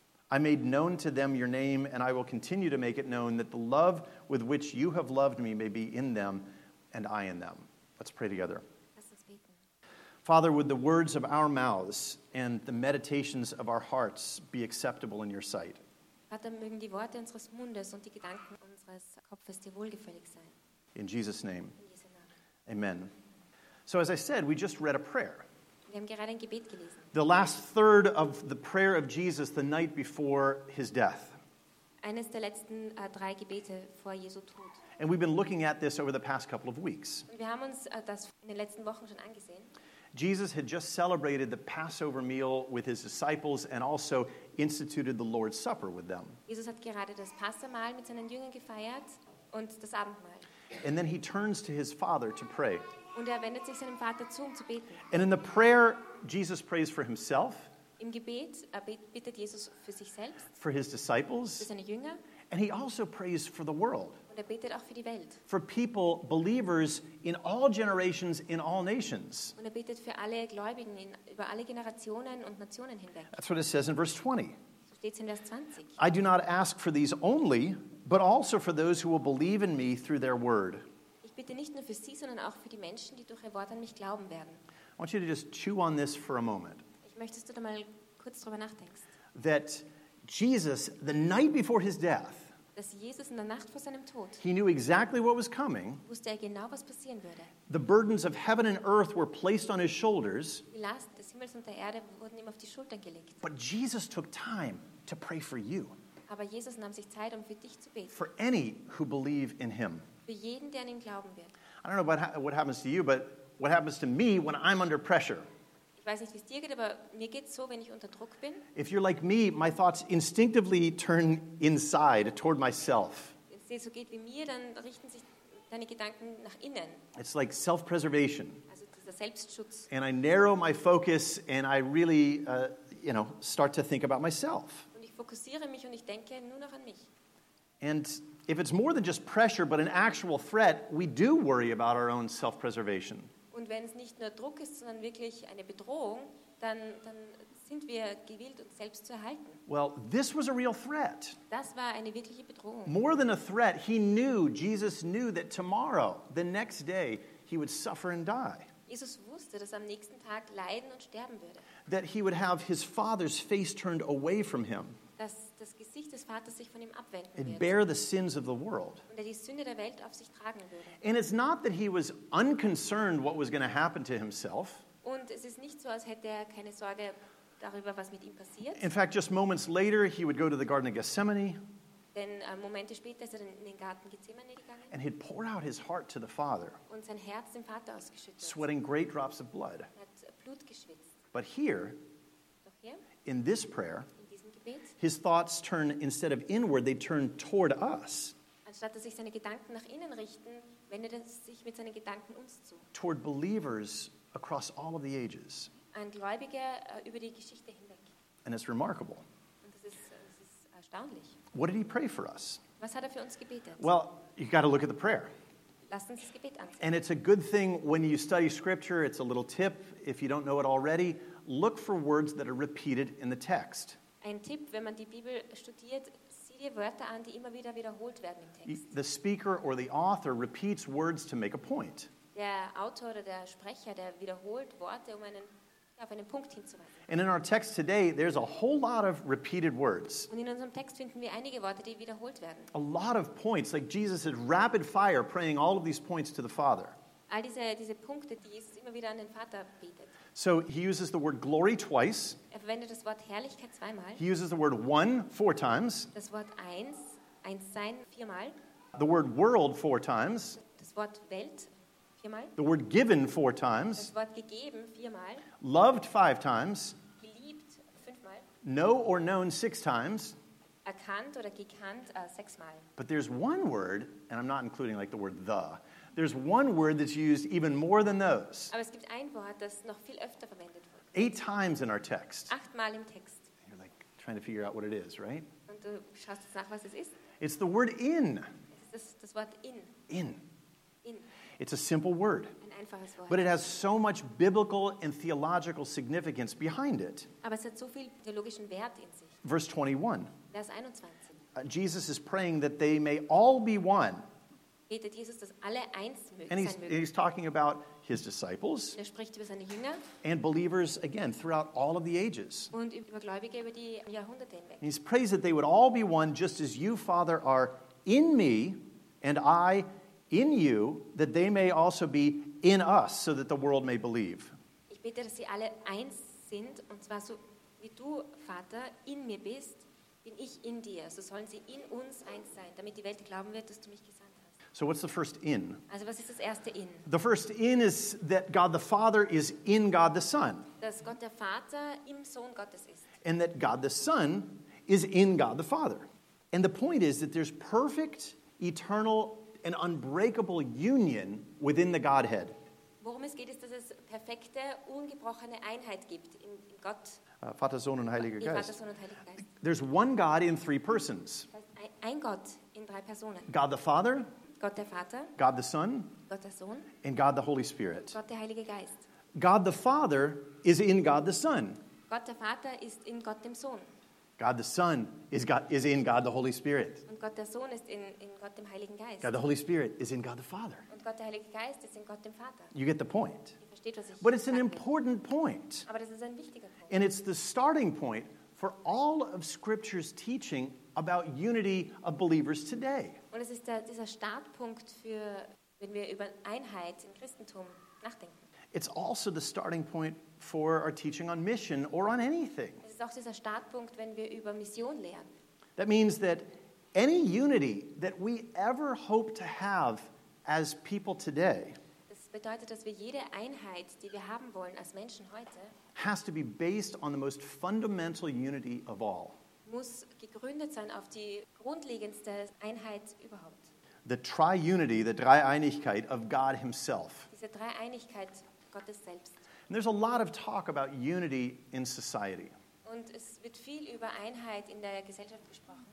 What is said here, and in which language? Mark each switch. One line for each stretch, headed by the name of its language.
English: I made known to them your name, and I will continue to make it known that the love with which you have loved me may be in them and I in them. Let's pray together. Father, would the words of our mouths and the meditations of our hearts be acceptable in your sight?
German: Vater, mögen die Worte unseres Mundes und die Gedanken unseres Kopfes dir wohlgefällig sein.
English: In Jesus' name.
German: In Jesu Namen. Amen.
English: So as I said, we just read a prayer.
German: Wir haben gerade ein Gebet gelesen.
English: The last third of the prayer of Jesus the night before his death.
German: Eines der letzten drei Gebete vor Jesu Tod.
English: And we've been looking at this over the past couple of weeks.
German: Und wir haben uns das in den letzten Wochen schon angesehen.
English: Jesus had just celebrated the Passover meal with his disciples and also instituted the Lord's Supper with them.
German: Jesus hat gerade das Passamahl mit seinen Jüngern gefeiert und das Abendmahl.
English: And then he turns to his Father to pray.
German: Und er wendet sich seinem Vater zu, um zu beten.
English: And in the prayer, Jesus prays for himself.
German: Im Gebet bittet Jesus für sich selbst.
English: For his disciples.
German: Für seine Jünger.
English: And he also prays for the world.
German: Und er betet auch für die Welt.
English: For people, believers in all generations, in all nations.
German: Und er betet für alle Gläubigen über alle Generationen und Nationen hinweg.
English: That's what it says in verse 20.
German: So steht's in Vers 20.
English: I do not ask for these only, but also for those who will believe in me through their word.
German: Ich bitte nicht nur für sie, sondern auch für die Menschen, die durch ihr Wort an mich glauben werden.
English: I want you to just chew on this for a moment.
German: Ich möchte, dass du da mal kurz drüber nachdenkst.
English: That Jesus, the night before his death,
German: dass Jesus in der Nacht vor seinem Tod,
English: he knew exactly what was coming.
German: Wusste er genau, was passieren würde.
English: The burdens of heaven and earth were placed on his shoulders.
German: Die Last des Himmels und der Erde wurden ihm auf die Schultern gelegt.
English: But Jesus took time to pray for you.
German: Aber Jesus nahm sich Zeit, um für dich zu beten.
English: For any who believe in him.
German: Für jeden, der an ihn glauben wird.
English: I don't know about what happens to you, but what happens to me when I'm under pressure.
German: Ich weiß nicht, wie es dir geht, aber mir geht's so, wenn ich unter Druck bin.
English: If you're like me, my thoughts instinctively turn inside toward myself.
German: Wenn es dir so geht wie mir, dann richten sich deine Gedanken nach innen.
English: It's like self-preservation.
German: Also dieser Selbstschutz.
English: And I narrow my focus and I really, you know, start to think about myself.
German: Und ich fokussiere mich und ich denke nur noch an mich.
English: And if it's more than just pressure, but an actual threat, we do worry about our own self-preservation.
German: Und wenn es nicht nur Druck ist, sondern wirklich eine Bedrohung, dann sind wir gewillt, uns selbst zu erhalten.
English: Well, this was a real threat.
German: Das war eine wirkliche Bedrohung.
English: More than a threat, he knew, Jesus knew that tomorrow, the next day, he would suffer and die.
German: Jesus wusste, dass er am nächsten Tag leiden und sterben würde.
English: That he would have his father's face turned away from him.
German: Dass das Gesicht des Vaters sich von ihm abwenden
English: würde. And bear the sins of the world.
German: Und er die Sünde der Welt auf sich tragen würde.
English: And it's not that he was unconcerned what was going to happen to himself.
German: Und es ist nicht so, als hätte er keine Sorge darüber, was mit ihm passiert.
English: In fact, just moments later, he would go to the Garden of Gethsemane.
German: Denn Momente später ist er in den Garten Gethsemane gegangen.
English: And he'd pour out his heart to the Father.
German: Und sein Herz dem Vater ausgeschüttet.
English: Sweating great drops of blood.
German: Er hat Blut geschwitzt.
English: But here,
German: doch hier,
English: in this prayer, his thoughts turn, instead of inward, they turn toward us.
German: Anstatt dass sich seine Gedanken nach innen richten, wendet er sich mit seinen Gedanken uns zu.
English: Toward believers across all of the ages.
German: An Gläubige über die Geschichte hinweg.
English: And it's remarkable.
German: Und das ist erstaunlich.
English: What did he pray for us?
German: Was hat er für uns gebetet?
English: Well, you've got to look at the prayer.
German: Lass uns das Gebet ansehen.
English: And it's a good thing when you study scripture, it's a little tip, if you don't know it already, look for words that are repeated in the text.
German: Ein Tipp, wenn man die Bibel studiert, sieh dir Wörter an, die immer wieder wiederholt werden im Text.
English: The speaker or the author repeats words to make a point.
German: Der Autor oder der Sprecher, der wiederholt Worte, um auf einen Punkt hinzuweisen.
English: And in our text today, there's a whole lot of repeated words.
German: Und in unserem Text finden wir einige Worte, die wiederholt werden.
English: A lot of points, like Jesus is rapid fire praying all of these points to the Father.
German: All diese Punkte, die Jesus immer wieder an den Vater betet.
English: So he uses the word glory twice.
German: Er verwendet das Wort Herrlichkeit zweimal.
English: He uses the word one 4 times.
German: Das Wort eins, eins sein, viermal.
English: The word world 4 times.
German: Das Wort Welt, viermal.
English: The word given 4 times.
German: Das Wort gegeben, viermal.
English: Loved 5 times.
German: Geliebt, fünfmal.
English: Know or known 6 times.
German: Erkannt oder gekannt, sechsmal.
English: But there's one word, and I'm not including like the word the. There's one word that's used even more than those.
German: Aber es gibt ein Wort, das noch viel öfter verwendet wird.
English: 8 times in our text.
German: 8-mal im Text.
English: And you're like trying to figure out what it is, right?
German: Und du schaust nach, was es ist.
English: It's the word in.
German: Es ist das Wort in.
English: In.
German: In.
English: It's a simple word.
German: Ein einfaches Wort.
English: But it has so much biblical and theological significance behind it.
German: Aber es hat so viel theologischen Wert in sich.
English: Verse 21.
German: Vers 21.
English: Jesus is praying that they may all be one.
German: Jesus, dass alle eins möglich sein mögen.
English: And he's talking about his disciples.
German: Er spricht über seine Jünger.
English: And believers again throughout all of the ages.
German: Und über Gläubige über die Jahrhunderte hinweg.
English: And he prays that they would all be one, just as you, Father, are in me, and I in you, that they may also be in us, so that the world may believe.
German: Ich bete, dass sie alle eins sind, und zwar so wie du, Vater, in mir bist, bin ich in dir. So sollen sie in uns eins sein, damit die Welt glauben wird, dass du mich gesandt hast.
English: So what's the first in?
German: Also was ist das erste in?
English: The first in is that God the Father is in God the Son.
German: Dass Gott der Vater im Sohn Gottes ist.
English: And that God the Son is in God the Father. And the point is that there's perfect, eternal, and unbreakable union within the Godhead.
German: Worum es geht ist, dass es perfekte, ungebrochene Einheit gibt in Gott. Vater, Sohn und Heiliger Geist. Vater, Sohn und Heiliger Geist.
English: There's one God in three persons.
German: Ein Gott in drei Personen.
English: God the Father.
German: Gott der Vater,
English: God the Son,
German: Gott der Sohn,
English: and God the Holy Spirit.
German: Gott der Heilige Geist.
English: God the Father is in God the Son.
German: Gott der Vater ist in Gott dem Sohn.
English: God the Son is God is in God the Holy Spirit.
German: Und Gott der Sohn ist in Gott dem Heiligen Geist.
English: God the Holy Spirit is in God the Father.
German: Und Gott der Heilige Geist ist in Gott dem Vater.
English: You get the point.
German: Ihr versteht, was ich
English: But it's an important point.
German: Aber das ist ein wichtiger Punkt.
English: And it's the starting point for all of Scripture's teaching about unity of believers today.
German: Und es ist dieser Startpunkt für, wenn wir über Einheit im Christentum nachdenken.
English: It's also the starting point for our teaching on mission or on anything.
German: Es ist auch dieser Startpunkt, wenn wir über Mission lernen.
English: That means that any unity that we ever hope to have as people today.
German: Das bedeutet, dass wir jede Einheit, die wir haben wollen als Menschen heute,
English: has to be based on the most fundamental unity of all.
German: Muss gegründet sein auf die grundlegendste Einheit überhaupt.
English: The triunity, the Dreieinigkeit of God himself.
German: Diese Dreieinigkeit Gottes selbst.
English: And there's a lot of talk about unity in society.
German: Und es wird viel über Einheit in der Gesellschaft gesprochen.